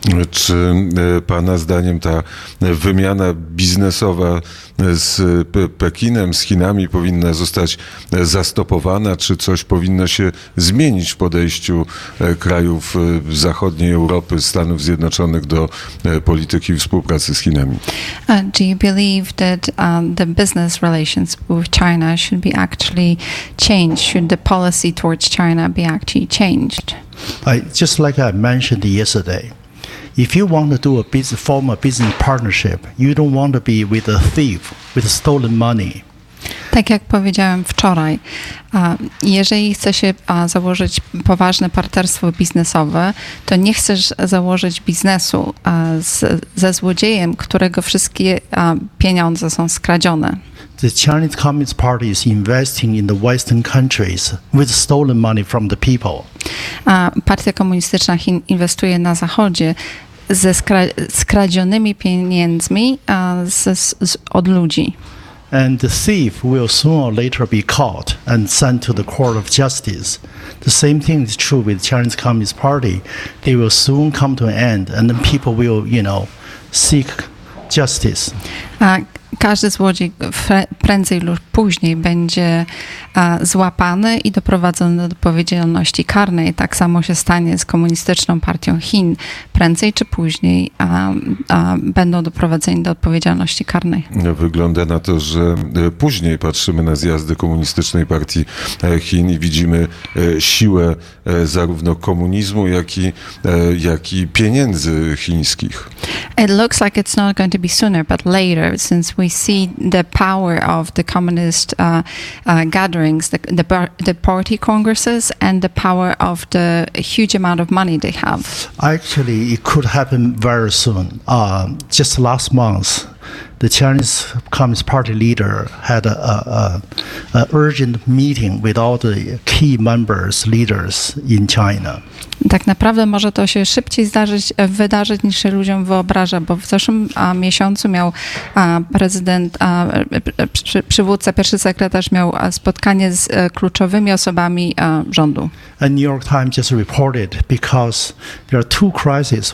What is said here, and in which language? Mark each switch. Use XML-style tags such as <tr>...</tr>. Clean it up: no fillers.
<pl>Czy pana zdaniem ta wymiana biznesowa z Pekinem, z Chinami powinna zostać zastopowana, czy coś powinno się zmienić w podejściu krajów zachodniej Europy, Stanów Zjednoczonych do polityki współpracy z Chinami?</pl> <en>Do you believe that the business relations with China should be actually changed? Should the policy towards China be actually changed? Just like I mentioned yesterday, if you want to form a business partnership, you don't want to be with a thief, with stolen money.</en> <pl>Tak jak powiedziałem wczoraj, jeżeli chce się założyć poważne partnerstwo biznesowe, to nie chcesz założyć biznesu ze złodziejem, którego wszystkie pieniądze są skradzione.</pl> <en>The Chinese Communist Party is investing in the Western countries with stolen money from the people.</en> <pl>Partia Komunistyczna Chin inwestuje na Zachodzie ze skradzionymi pieniędzmi od ludzi.</pl> <en>And the thief will sooner or later be caught and sent to the court of justice. The same thing is true with Chinese Communist Party. They will soon come to an end, and then people will, you know, seek justice.</en> <pl>Każdy złodziej prędzej lub później będzie złapany i doprowadzony do odpowiedzialności karnej. Tak samo się stanie z Komunistyczną Partią Chin. Prędzej czy później będą doprowadzeni do odpowiedzialności karnej. Wygląda na to, że później patrzymy na zjazdy Komunistycznej Partii Chin i widzimy siłę zarówno komunizmu, jak i pieniędzy chińskich.</pl> <en>It looks like it's not going to be sooner, but later, since we see the power of the communist gatherings, the party congresses, and the power of the huge amount of money they have. Actually, it could happen very soon. Just last month, the Chinese Communist Party leader had a urgent meeting with all the key members, leaders in China.</en> <pl>Tak naprawdę może to się szybciej wydarzyć niż się ludziom wyobraża, bo w zeszłym miesiącu miał prezydent, przywódca, pierwszy sekretarz miał spotkanie z kluczowymi osobami rządu.</pl> <en>A New York Times just reported because there are two crises.</en>